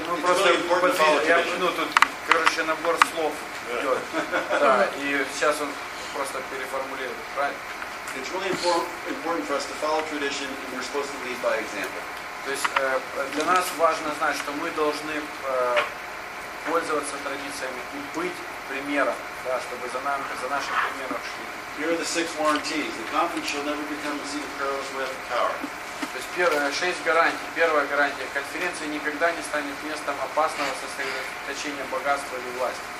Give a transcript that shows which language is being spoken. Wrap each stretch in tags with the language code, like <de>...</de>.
<ru>ну просто я ну тут, короче, набор слов идет. Да, и сейчас он просто переформулирует, правильно?</ru> <en>It's really important for us to follow tradition, and we're supposed to lead by example.</en> <ru>То есть для нас важно знать, что мы должны пользоваться традициями и быть примером, да, чтобы за нашим примером шли.</ru> <en>Here are the six warranties. The conference shall never become the seat of perilous wealth and power.</en> <ru>То есть первое шесть гарантий. Первая гарантия: конференция никогда не станет местом опасного сосредоточения богатства или власти.</ru>